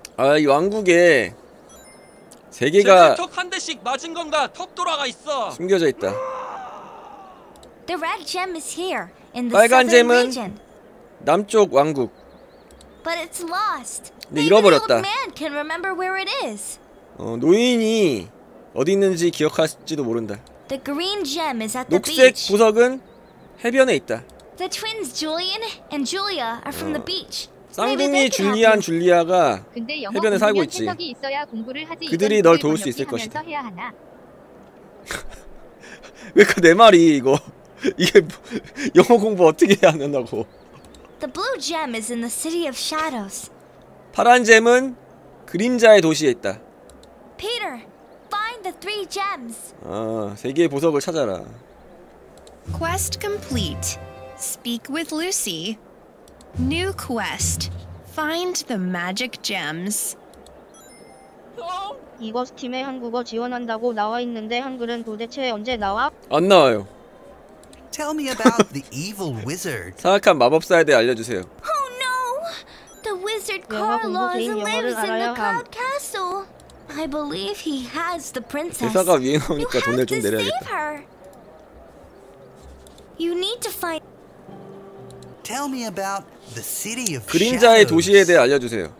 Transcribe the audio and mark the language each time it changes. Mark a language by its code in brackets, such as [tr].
[ko] 아, 이 왕국에 세 개가 턱 한 대씩 맞은 건가? 턱 돌아가 있어. 숨겨져 있다. [en] The red gem is here in the southern region. [ko] 남쪽 왕국. [en] But it's lost. [ko] 네, 잃어버렸다. [en] Maybe an old man can remember where it is. [ko] 노인이 어디 있는지 기억할지도 모른다. [en] The green gem is at the beach. [ko] 녹색 보석은 해변에 있다. [en] The twins Julian and Julia are from the beach. [ko] 쌍둥이 줄리안 줄리아가 해변에 살고 있지. 그들이 널 도울 수 있을 것이다. 왜 그 내 말이 이거? 이게 영어 공부 어떻게 해야 하냐고. [en] The blue gem is in the city of shadows. [ko] 파란 잼은 그림자의 도시에 있다. [en] Peter, find the three gems. [ko] 아, 세 개의 보석을 찾아라. [en] Quest complete. Speak with Lucy. New quest. Find the magic gems. [ko] 이거 스팀에 한국어 지원한다고 나와 있는데 한글은 도대체 언제 나와? 안 나와요. [en] Tell me about the evil wizard. [ko] 사악한 마법사에 대해 알려주세요. [en] Oh no! The wizard Carlos lives in the Cloud Castle. I believe he has the princess. [ko] 대사가 위에나오니까 돈을 좀 내려야겠다. [en] You need to find. Tell me about the city of shadows. [ko] 그림자의 도시에 대해 알려주세요.